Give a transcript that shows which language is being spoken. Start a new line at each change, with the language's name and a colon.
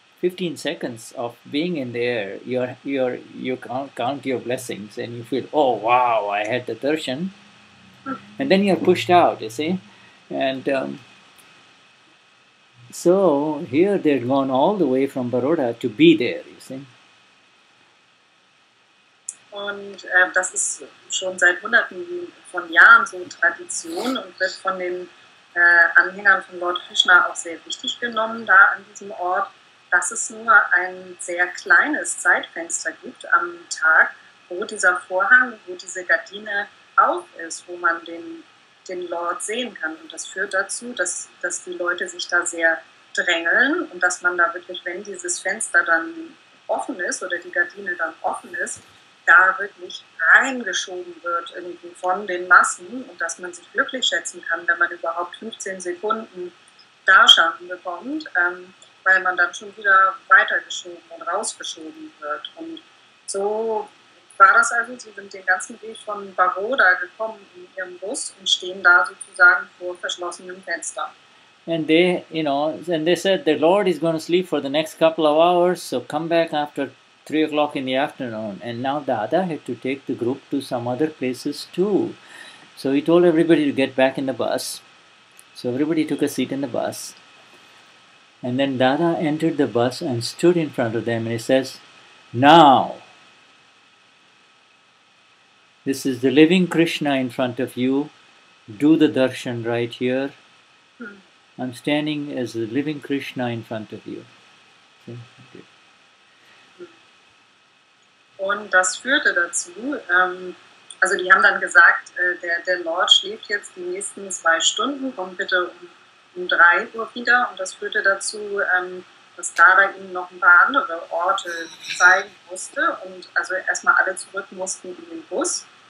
English: 15 seconds of being in the air, you count your blessings and you feel, oh wow, I had the darshan. And then you're pushed out, you see. And so here they'd gone all the way from Baroda to be there, you see.
German: Und das ist schon seit hunderten von Jahren so Tradition und wird von den Anhängern von Lord Krishna auch sehr wichtig genommen da an diesem Ort, dass es nur ein sehr kleines Zeitfenster gibt am Tag, wo dieser Vorhang, wo diese Gardine auf ist, wo man den Lord sehen kann. Und das führt dazu, dass die Leute sich da sehr drängeln und dass man da wirklich, wenn dieses Fenster dann offen ist oder die Gardine dann offen ist, da wirklich reingeschoben wird irgendwie von den Massen und dass man sich glücklich schätzen kann, wenn man überhaupt 15 Sekunden Darshan bekommt, weil man dann schon wieder weitergeschoben und rausgeschoben wird. Und so war das also, sie sind den ganzen Weg von Baroda gekommen in ihrem Bus und stehen da sozusagen vor verschlossenem Fenster.
English: And they, you know, and they said, the Lord is going to sleep for the next couple of hours, so come back after 3 o'clock in the afternoon. And now Dada had to take the group to some other places too. So he told everybody to get back in the bus. So everybody took a seat in the bus. And then Dada entered the bus and stood in front of them and he says, now, this is the living Krishna in front of you. Do the darshan right here. I'm standing as the living Krishna in front of you. See?
German: Und das führte dazu, also die haben dann gesagt, der Lord schläft jetzt die nächsten 2 Stunden, kommt bitte um 3 Uhr wieder. Und das führte dazu, dass Dada ihm noch ein paar andere Orte zeigen musste und also erstmal alle zurück mussten in den Bus.